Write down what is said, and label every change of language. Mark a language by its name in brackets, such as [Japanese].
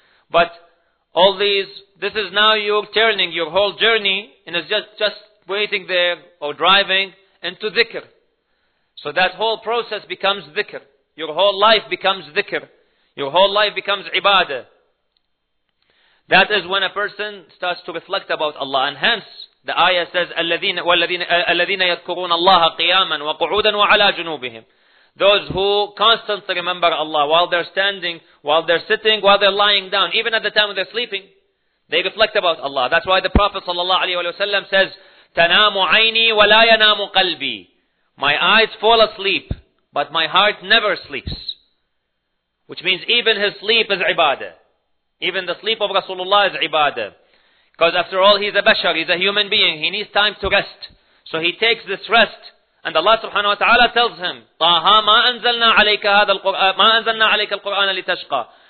[English] But all these, this is now you're turning your whole journey and it's just waiting there or driving into dhikr. So that whole process becomes dhikr. Your whole life becomes dhikr. Your whole life becomes ibadah. That is when a person starts to reflect about Allah. And hence, the ayah says, [Arabic] الَّذِينَ يَذْكُرُونَ اللَّهَ قِيَامًا وَقُعُودًا وَعَلَى جُنُوبِهِمْ. [English] Those who constantly remember Allah while they're standing, while they're sitting, while they're lying down, even at the time when they're sleeping, they reflect about Allah. That's why the Prophet ﷺ says, [Arabic] تَنَامُ عَيْنِي وَلَا يَنَامُ قَلْبِي. [English] My eyes fall asleep, but my heart never sleeps. Which means even his sleep is ibadah. Even the sleep of Rasulullah is ibadah. Because after all, he's a bashar, he's a human being. He needs time to rest. So he takes this rest. And Allah subhanahu wa ta'ala tells him, [Arabic] Taha, ma anzalna alayka al-Qur'an litashqa.